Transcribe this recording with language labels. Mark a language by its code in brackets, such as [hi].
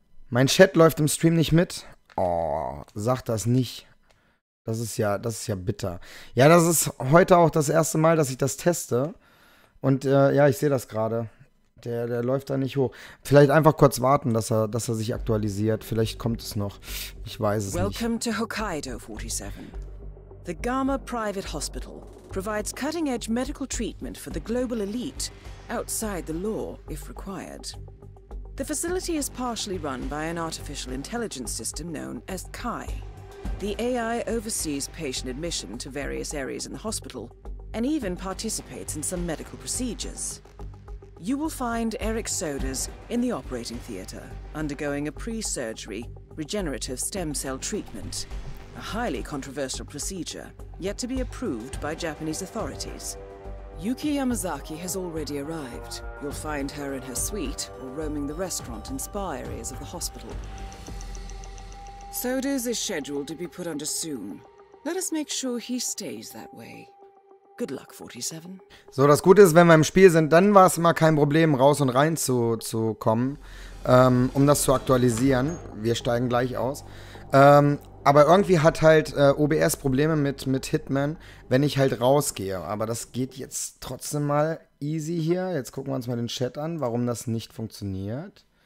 [de] Mein Chat läuft im Stream nicht mit. Oh, sag das nicht. Das ist ja bitter. Ja, das ist heute auch das erste Mal, dass ich das teste. Und ja, ich sehe das gerade. Der läuft da nicht hoch. Vielleicht einfach kurz warten, dass er sich aktualisiert. Vielleicht kommt es noch. Ich weiß es nicht. [en] Welcome to Hokkaido 47. The Gama Private Hospital provides cutting-edge medical treatment for the global elite outside the law if required. The facility is partially run by an artificial intelligence system known as Kai. The AI oversees patient admission to various areas in the hospital and even participates in some medical procedures. You will find Eric Soders in the operating theater, undergoing a pre-surgery regenerative stem cell treatment, a highly controversial procedure yet to be approved by Japanese authorities. Yuki Yamazaki has already arrived. You'll find her in her suite or roaming the restaurant and spa areas of the hospital. Soders is scheduled to be put under soon. Let us make sure he stays that way. Good luck, 47. [de] So, das Gute ist, wenn wir im Spiel sind, dann war es immer kein Problem, raus und rein zu kommen, um das zu aktualisieren. Wir steigen gleich aus. Aber irgendwie hat halt OBS Probleme mit Hitman, wenn ich halt rausgehe. Aber das geht jetzt trotzdem mal easy hier. Jetzt gucken wir uns mal den Chat an, warum das nicht funktioniert.